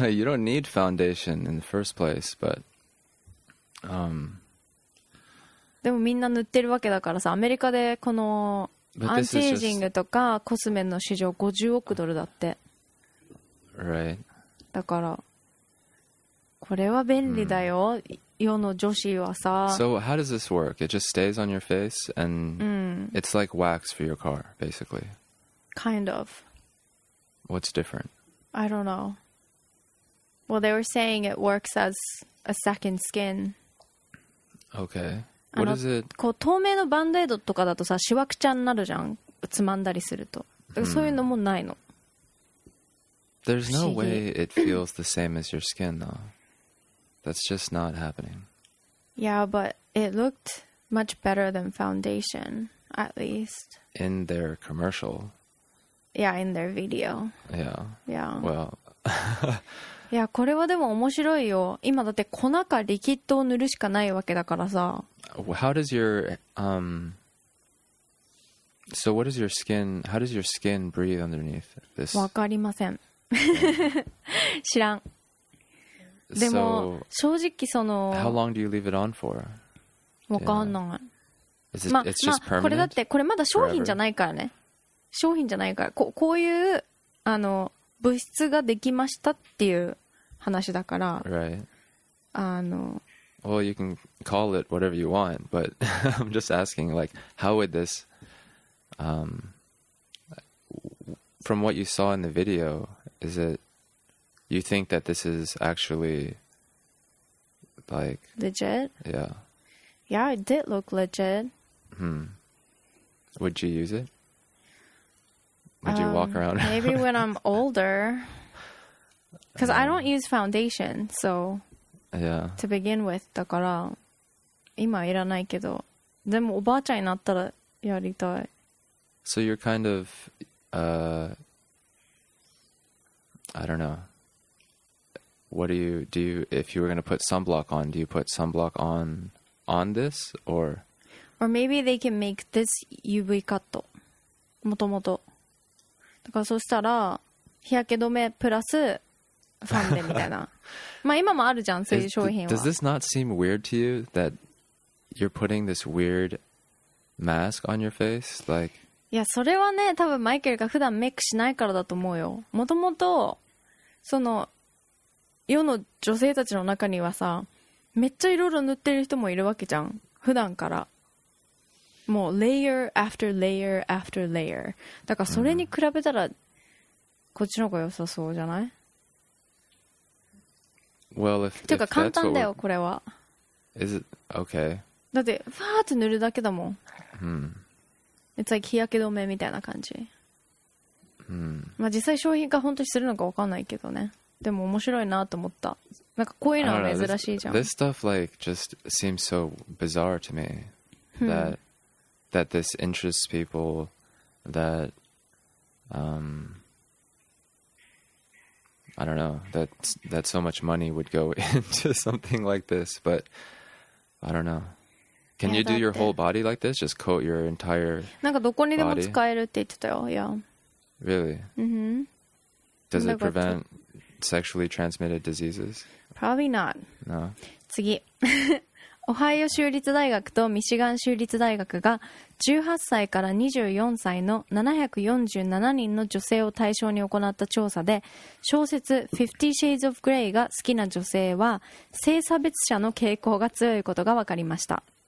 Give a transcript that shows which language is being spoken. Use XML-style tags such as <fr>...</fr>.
<en>No, you don't need foundation in the first place, but...</en> <ja>でもみんな塗ってるわけだからさ、アメリカでこのアンチエイジングとかコスメの市場50億ドルだって。</ja> <en>Right.</en> <ja>だから、これは便利だよ。世の女子はさ。</ja> <en>So how does this work? It just stays on your face and it's like wax for your car, basically. Kind of. What's different? I don't know. Well, they were saying it works as a second skin. Okay. What is it?</en> <ja>こう透明のバンドエイドとかだとさ、シワクチャになるじゃん。つまんだりすると。だからそういうのもないの。</ja> <en>There's no way it feels the same as your skin, though. That's just not happening. Yeah, but it looked much better than foundation, at least. In their commercial. Yeah, in their video. Yeah. Yeah. Well...</en> <ja>いやこれはでも面白いよ。今だって粉かリキッドを塗るしかないわけだからさ。</ja> <en>How does your so what is your skin? How does your skin breathe underneath this?</en> <ja>わかりません。知らん。でも正直その。</ja> <en>How long do you leave it on for?</en> <ja>わかんない。</ja> <en>Is it, it's just permanent?</en> <ja>これだってこれまだ商品じゃないからね。商品じゃないから。こういうあの。物質ができましたっていう話だから、</ja> <en>right.</en> <ja>あの、</ja> <en>well, you can call it whatever you want, but I'm just asking, like, how would this, from what you saw in the video, is it, you think that this is actually, like, legit? Yeah. Yeah, it did look legit. Hmm. Would you use it? Would you walk around? Maybe when I'm older. Because I don't use foundation, so... Yeah. To begin with,</en> <ja>だから今いらないけど。でもおばあちゃんになったらやりたい。</ja> <en>So you're kind of... I don't know. What do you... If you were going to put sunblock on, do you put sunblock on this? Or... Or maybe they can make this UV cut.</en> <ja>もともと。だからそしたら日焼け止めプラスファンデみたいな。まあ今もあるじゃん、そういう商品は。</ja> <en>Does this not seem weird to you that you're putting this weird mask on your face? Like...</en> <ja>いやそれはね、多分マイケルが普段メイクしないからだと思うよ。もともとその世の女性たちの中にはさ、めっちゃいろいろ塗ってる人もいるわけじゃん、普段から。もう</ja> <en>layer after layer after layer</en> <ja>だからそれに比べたらこっちの方が良さそうじゃない、</ja> <en>well, if,</en> <ja>というか簡単だよこれは。</ja> <en>Is it okay?</en> <ja>だってファーって塗るだけだもん、 hmm.</ja> <en>It's like</en> <ja>日焼け止めみたいな感じ、 hmm. まあ実際商品化本当にするのか分かんないけどね。でも面白いなと思った。なんかこういうのは珍しいじゃん。</ja> <en>this stuff like just seems so bizarre to me that、hmm. That this interests people, that, I don't know, that so much money would go into something like this, but I don't know. Can you do your whole body like this? Just coat your entire body?</en> <ja>なんかどこにでも使えるって言ってたよ、yeah.</ja> <en>Really? Mm-hmm. Does it prevent sexually transmitted diseases? Probably not. No?</en> <ja>次。オハイオ州立大学とミシガン州立大学が18歳から24歳の747人の女性を対象に行った調査で、小説 Fifty Shades of Grey が好きな女性は性差別者の傾向が強いことが分かりました。</ja>